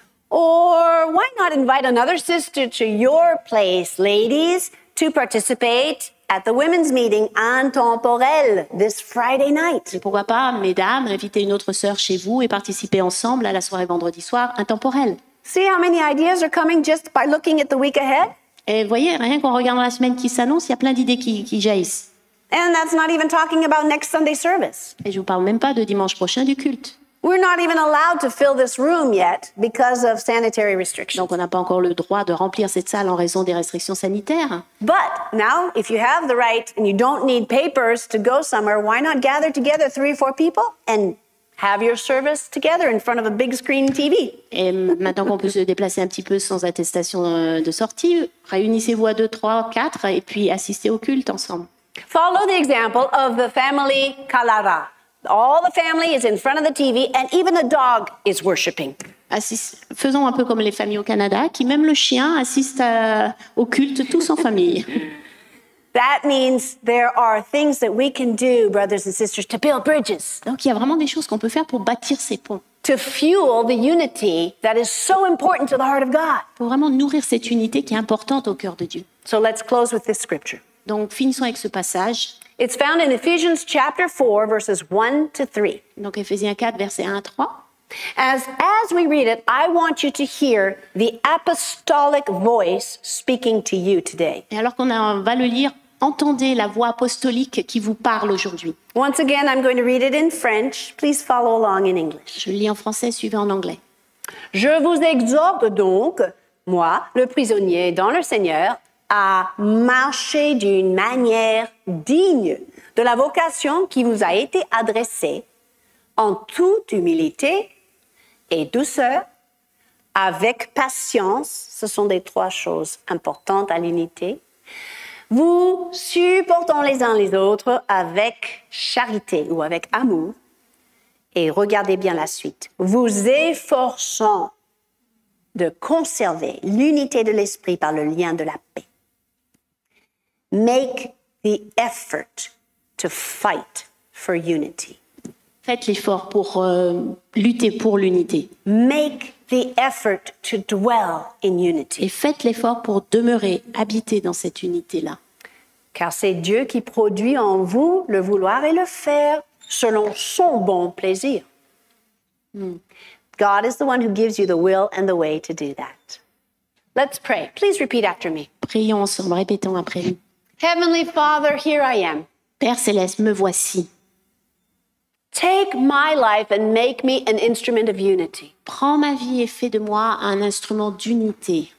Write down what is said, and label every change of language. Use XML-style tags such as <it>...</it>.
<en>Or why not invite another sister to your place, ladies, to participate at the women's meeting intemporel this Friday night.</en> <fr>Et pourquoi pas, mesdames, inviter une autre sœur chez vous et participer ensemble à la soirée vendredi soir intemporel.</fr> <en>See how many ideas are coming just by looking at the week ahead?</en> <fr>Et voyez, rien qu'en regardant la semaine qui s'annonce, il y a plein d'idées qui jaillissent.</fr> <en>And that's not even talking about next Sunday service.</en> <fr>Et je vous parle même pas de dimanche prochain du culte.</fr> <en>We're not even allowed to fill this room yet because of sanitary restrictions.</en> <fr>Donc on n'a pas encore le droit de remplir cette salle en raison des restrictions sanitaires.</fr> <en>But now, if you have the right and you don't need papers to go somewhere, why not gather together 3 or 4 people and have your service together in front of a big screen TV?</en> <fr>Et maintenant qu'on peut se déplacer un petit peu sans attestation de sortie, réunissez-vous à 2, 3, 4 et puis assistez au culte ensemble.</fr> <en>Follow the example of the family Kalara. All the family is in front of the TV and even a dog is worshiping.</en> <fr>Faisons un peu comme les familles au Canada qui même le chien assiste au culte tous en famille.</fr> <en>That means there are things that we can do, brothers and sisters, to build bridges.</en> <fr>Donc il y a vraiment des choses qu'on peut faire pour bâtir ces ponts.</fr> <en>To fuel the unity that is so important to the heart of God.</en> <fr>Pour vraiment nourrir cette unité qui est importante au cœur de Dieu.</fr> <en>So let's close with this scripture.</en> <fr>Donc finissons avec ce passage.</fr> <en>It's found in Ephesians chapter 4 verses 1 to 3.</en> <fr>Donc Éphésiens 4 verset 1 à 3.</fr> <en>As we read it, I want you to hear the apostolic voice speaking to you today.</en> <fr>Et alors qu'on va le lire, entendez la voix apostolique qui vous parle aujourd'hui.</fr> <en>Once again, I'm going to read it in French. Please follow along in English.</en> <fr>Je lis en français, suivez en anglais. Je vous exhorte donc, moi, le prisonnier dans le Seigneur, à marcher d'une manière digne de la vocation qui vous a été adressée, en toute humilité et douceur, avec patience, ce sont des trois choses importantes à l'unité, vous supportant les uns les autres avec charité ou avec amour, et regardez bien la suite, vous efforçant de conserver l'unité de l'esprit par le lien de la paix.</fr> <en>Make the effort to fight for unity.</en> <fr>Faites l'effort pour lutter pour l'unité.</fr> <en>Make the effort to dwell in unity.</en> <fr>Et faites l'effort pour demeurer, habiter dans cette unité-là. Car c'est Dieu qui produit en vous le vouloir et le faire selon son bon plaisir.</fr> <en>God is the one who gives you the will and the way to do that. Let's pray. Please repeat after me.</en> <fr>Prions ensemble, répétons après nous.</fr> <en>Heavenly Father, here I am.</en> <fr>Père céleste, me voici.</fr> <en>Take my life and make me an instrument of unity.</en> <fr>Prends ma vie et fais de moi un instrument d'unité.</fr>